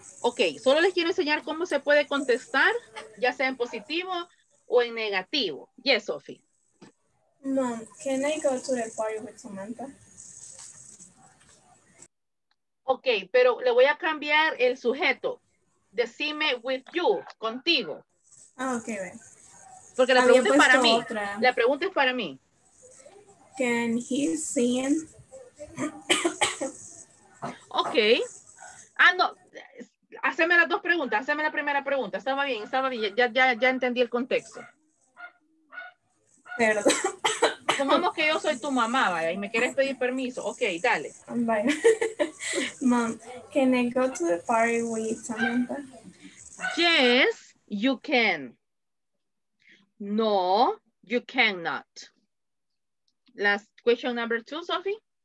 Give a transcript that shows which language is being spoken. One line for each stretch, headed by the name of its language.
Spanish: Ok, solo les quiero enseñar cómo se puede contestar, ya sea en positivo o en negativo.
English: Yes, Sofía. Mom, can I go to the party with Samantha?
Spanish: Ok, pero le voy a cambiar el sujeto. Decime
English: with you,
Spanish: contigo. Ah, ok, ve. Porque la pregunta es para mí. Otra. La pregunta es para mí.
English: Can he sing?
Spanish: Okay. Ah, no. Haceme las dos preguntas. Haceme la primera pregunta. Estaba bien. Ya entendí el contexto. Perdón. Supongamos que yo soy tu mamá, vaya, y me quieres pedir permiso. Okay, dale.
English: Bye. Mom, can I go to the party with Samantha? Yes, you can. No, you cannot. La Question number two, Sophie.